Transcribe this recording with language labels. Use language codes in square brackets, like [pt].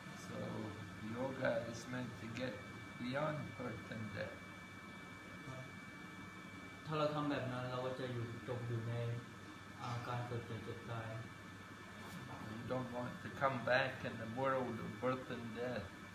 [en] So yoga is meant to get beyond birth and death. [th] ถ้าเราทำแบบนั้นเราก็จะอยู่จบอยู่ในการเกิดเจ็บตาย [en] We don't want to come back in the world of birth and death.